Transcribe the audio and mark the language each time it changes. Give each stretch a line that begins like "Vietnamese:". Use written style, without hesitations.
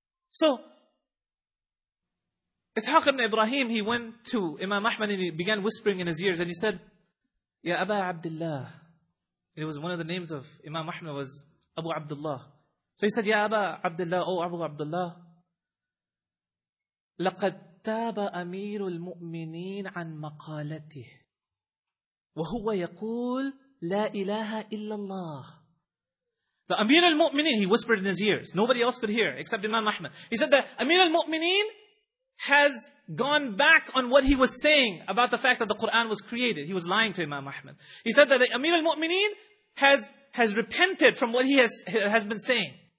English: So, Ishaq ibn Ibrahim, he went to Imam Ahmad and he began whispering in his ears. And he said, Ya Aba Abdullah. It was one of the names of Imam Ahmad was Abu Abdullah. So he said, Ya Aba Abdullah, O Abu Abdullah.
Arabic: لَقَدْ تَابَ أَمِيرُ الْمُؤْمِنِينَ عَنْ مَقَالَتِهِ وَهُوَ يَقُولُ La ilaha illallah.
English: The Amir al-Mu'mineen, he whispered in his ears. Nobody else could hear except Imam Ahmad. He said that Amir al-Mu'mineen has gone back on what he was saying about the fact that the Quran was created. He was lying to Imam Ahmad. He said that the Amir al-Mu'mineen has repented from what he has been saying.